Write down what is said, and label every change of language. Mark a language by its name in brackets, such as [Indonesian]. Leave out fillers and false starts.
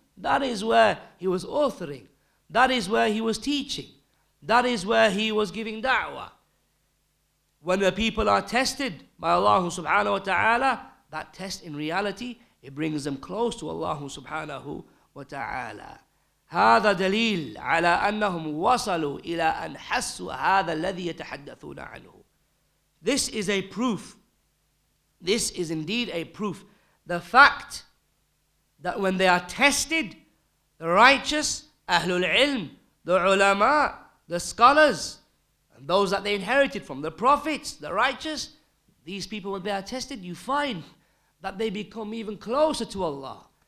[English] That is where he was authoring. That is where he was teaching. That is where he was giving da'wah. When the people are tested by Allah subhanahu wa ta'ala, that test in reality, it brings them close to Allah subhanahu wa ta'ala. [Arabic] هذا دليل على أنهم وصلوا إلى أن حسوا هذا الذي يتحدثون عنه. [English] This is a proof. This is indeed a proof. The fact that when they are tested, the righteous, Ahlul Ilm, the ulama, the scholars, and those that they inherited from the prophets, the righteous, these people, when they are tested, you find that they become even closer to Allah.